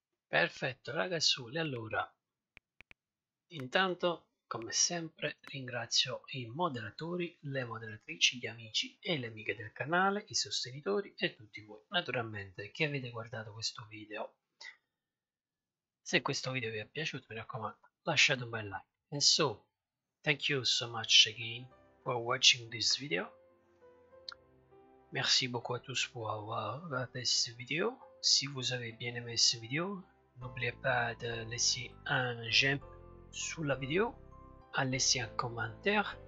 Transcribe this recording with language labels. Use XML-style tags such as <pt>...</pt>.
<it>Perfetto, ragazzuoli, allora, intanto, come sempre, ringrazio i moderatori, le moderatrici, gli amici e le amiche del canale, i sostenitori e tutti voi, naturalmente, che avete guardato questo video. Se questo video vi è piaciuto, mi raccomando, lasciate un bel like.</it> <en>And so, thank you so much again for watching this video.</en> <fr>Merci beaucoup à tous pour avoir regardé cette vidéo. Si vous avez bien aimé cette vidéo, n'oubliez pas de laisser un j'aime sous la vidéo, à laisser un commentaire.</fr>